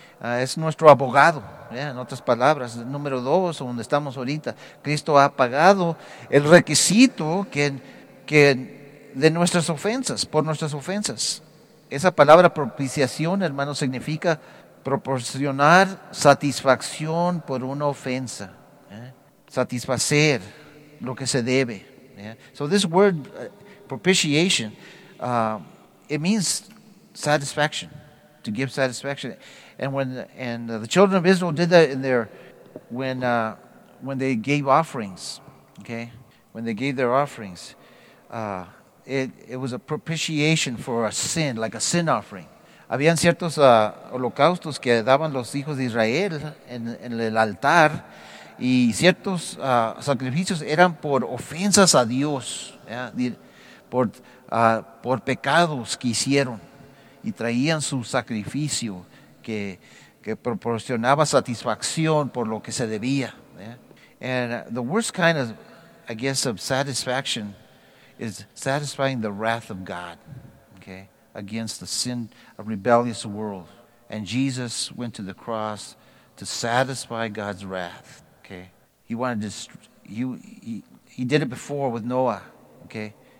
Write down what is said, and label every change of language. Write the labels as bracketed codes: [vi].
[es] Es nuestro abogado, ¿eh? En otras palabras. Número 2, donde estamos ahorita, Cristo ha pagado el requisito que de nuestras ofensas, por nuestras ofensas. Esa palabra propiciación, hermano, significa proporcionar satisfacción por una ofensa. ¿Eh? Satisfacer lo que se debe. ¿Eh? [en] So this word, propitiation, it means satisfaction, to give satisfaction. And the children of Israel did that in their, when they gave offerings, okay? When they gave their offerings, It was a propitiation for a sin, like a sin offering. [es] Habían ciertos holocaustos que daban los hijos de Israel en el altar, y ciertos sacrificios eran por ofensas a Dios, yeah? por pecados que hicieron, y traían su sacrificio que proporcionaba satisfacción por lo que se debía. [en] Yeah? And the worst kind of, I guess, of satisfaction is satisfying the wrath of God, okay, against the sin, a rebellious world. And Jesus went to the cross to satisfy God's wrath, okay. He wanted to, he did it before with Noah, okay.